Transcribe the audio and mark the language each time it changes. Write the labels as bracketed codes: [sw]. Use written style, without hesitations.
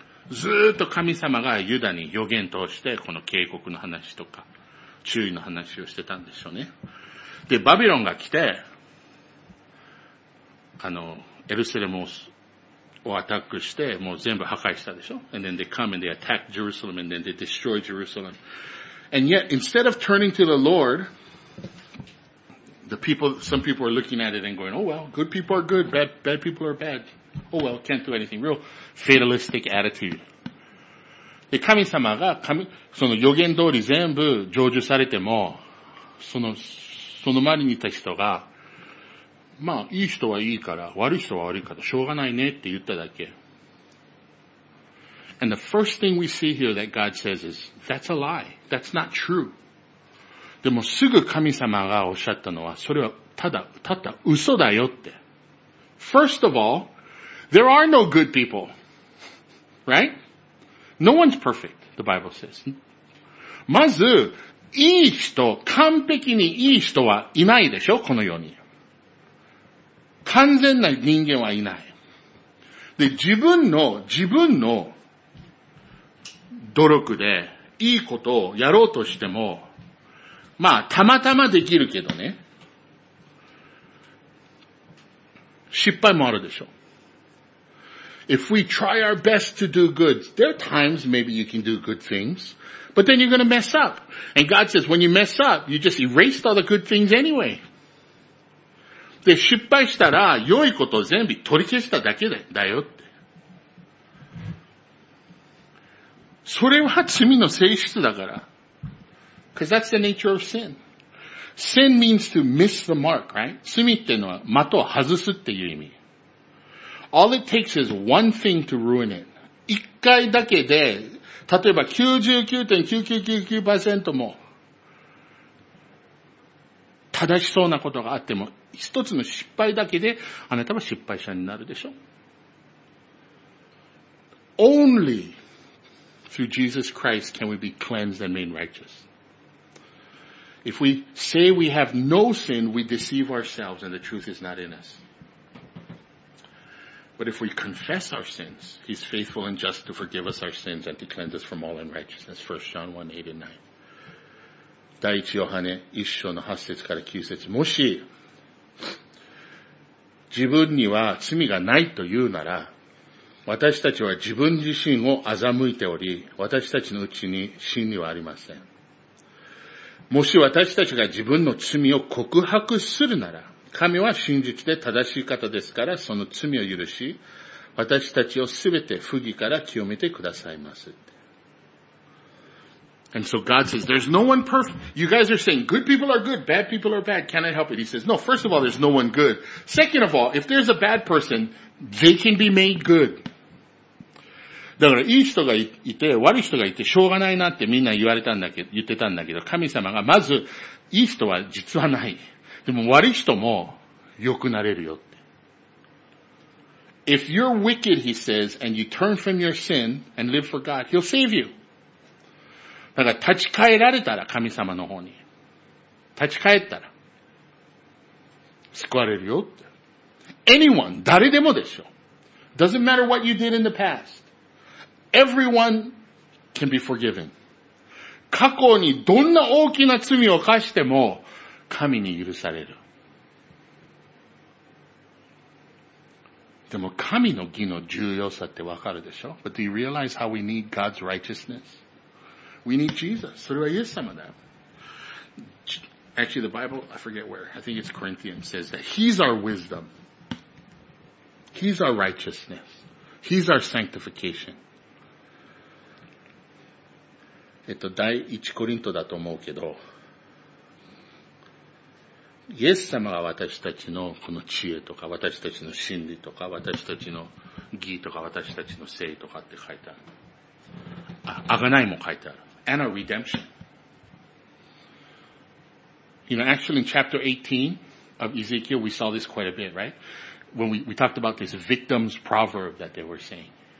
[ja] ずーっと神様がユダに予言通してこの警告の話とか。注意の話をしてたんでしょうね。で、バビロンが来て、エルサレムをアタックして、もう全部破壊したでしょ。 [en] And then they come and they attack Jerusalem and then they destroy Jerusalem. And yet, instead of turning to the Lord, some people are looking at it and going, oh well, good people are good, bad people are bad. Oh well, can't do anything. Real fatalistic attitude. [ja] で、神様が、その予言通り全部成就されても、その周りにいた人が、まあ、いい人はいいから、悪い人は悪いから、しょうがないねって言っただけ。 [en] And the first thing we see here that God says is, that's a lie. That's not true. [ja] でもすぐ神様がおっしゃったのは、それはただ嘘だよって。 [en] First of all, there are no good people. Right? No one's perfect, the Bible says. [ja] まず、いい人、完璧にいい人はいないでしょ、この世に。完全な人間はいない。で、自分の努力でいいことをやろうとしても、まあ、たまたまできるけどね。失敗もあるでしょ。 [en] If we try our best to do good, there are times maybe you can do good things, but then you're going to mess up. And God says, when you mess up, you just erased all the good things anyway. [ja] で、失敗したら良いこと全部取り消しただけだよって。それは罪の性質だから。 [en] Because that's the nature of sin. Sin means to miss the mark, right? [ja] 罪ってのは的を外すっていう意味。 [en] All it takes is one thing to ruin it. [ja] 一回だけで、例えば 99.9999% も正しそうなことがあっても、一つの失敗だけであなたは失敗者になるでしょ。 [en] Only through Jesus Christ can we be cleansed and made righteous. If we say we have no sin, we deceive ourselves and the truth is not in us. But if we confess our sins, He's faithful and just to forgive us our sins and to cleanse us from all unrighteousness. 1 John 1, 8 and 9. [ja] 第1ヨハネ1章の8節から9節。もし、自分には罪がないというなら、私たちは自分自身を欺いており、私たちのうちに真理はありません。もし私たちが自分の罪を告白するなら、神は真実で正しい方ですから、その罪を許し、私たちをすべて不義から清めてくださいます。 [en] And so God says, there's no one perfect. You guys are saying, good people are good, bad people are bad, can I help it? He says, no, first of all, there's no one good. Second of all, if there's a bad person, they can be made good. [ja] だから、いい人がいて、悪い人がいて、しょうがないなってみんな言われたんだけど、言ってたんだけど、神様が、まず、いい人は実はない。でも、悪い人も、良くなれるよって。 [en] If you're wicked, he says, and you turn from your sin and live for God, he'll save you. [ja] だから、立ち返られたら、神様の方に。立ち返ったら、救われるよって。 [en] Anyone, [ja] 誰でもでしょ。 [en] Doesn't matter what you did in the past. Everyone can be forgiven. [ja] 過去にどんな大きな罪を犯しても神に許される。でも神の義の重要さってわかるでしょ? [en] But do you realize how we need God's righteousness? We need Jesus. [ja] それはイエス様だ。 [en] Actually, the Bible, I forget where, I think it's Corinthians, says that He's our wisdom. He's our righteousness. He's our sanctification. [ja] 第一コリントだと思うけど、イエス様が私たちのこの知恵とか、私たちの真理とか、私たちの義とか、私たちの正とかって書いてある。あがないも書いてある。 [en] And our redemption. You know, actually in chapter 18 of Ezekiel, we saw this quite a bit, right? When we talked about this victim's proverb that they were saying.